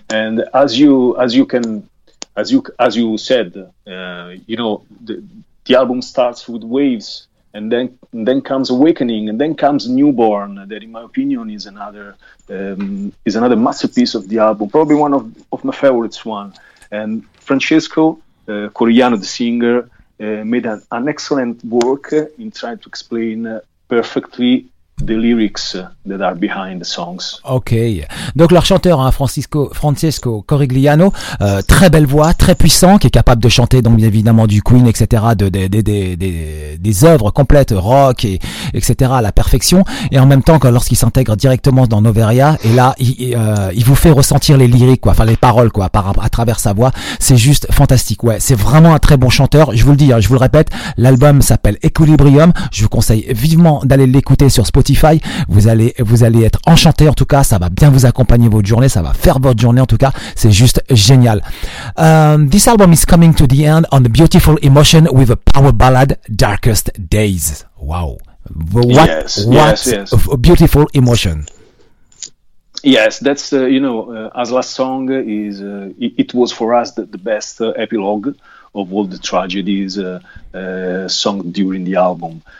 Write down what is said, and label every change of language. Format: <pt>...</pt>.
<en>And as you said, the album starts with Waves, and then comes Awakening, and then comes Newborn, that in my opinion is another masterpiece of the album, probably one of my favorites one. And Francesco Corigliano, the singer, made an excellent work in trying to explain perfectly the lyrics that are behind the songs. Okay.</en> <fr>Donc leur chanteur, hein, Francesco Corigliano, très belle voix, très puissant, qui est capable de chanter donc bien évidemment du Queen, etc., des œuvres complètes rock et etc. à la perfection. Et en même temps, quand lorsqu'il s'intègre directement dans Noveria, et là il vous fait ressentir les lyriques, quoi, enfin les paroles, quoi, à travers sa voix, c'est juste fantastique. Ouais, c'est vraiment un très bon chanteur. Je vous le dis, hein, je vous le répète, l'album s'appelle Equilibrium. Je vous conseille vivement d'aller l'écouter sur Spotify, vous allez être enchanté. En tout cas, ça va bien vous accompagner votre journée, ça va faire votre journée. En tout cas, c'est juste génial.</fr> <en>This album is coming to the end on a beautiful emotion with a power ballad, Darkest Days. Wow, what a beautiful emotion. Yes, that's as last song is it was for us the best epilogue of all the tragedies sung during the album.</en>